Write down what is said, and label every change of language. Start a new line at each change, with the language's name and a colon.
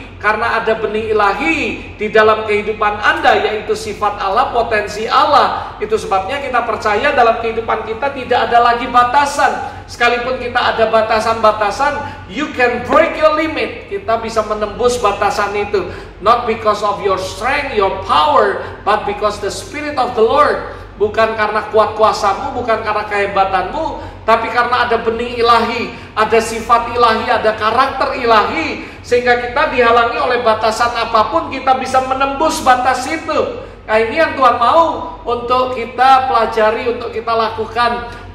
Indonesian: Karena ada benih ilahi di dalam kehidupan Anda, yaitu sifat Allah, potensi Allah. Itu sebabnya kita percaya dalam kehidupan kita tidak ada lagi batasan. Sekalipun kita ada batasan-batasan,
English: you can break your limit.
Indonesian: Kita bisa menembus batasan itu.
English: Not because of your strength, your power, but because the Spirit of the Lord.
Indonesian: Bukan karena kuat kuasamu, bukan karena kehebatanmu, tapi karena ada benih ilahi, ada sifat ilahi, ada karakter ilahi, sehingga kita dihalangi oleh batasan apapun, kita bisa menembus batas itu. Nah ini yang Tuhan mau untuk kita pelajari, untuk kita lakukan.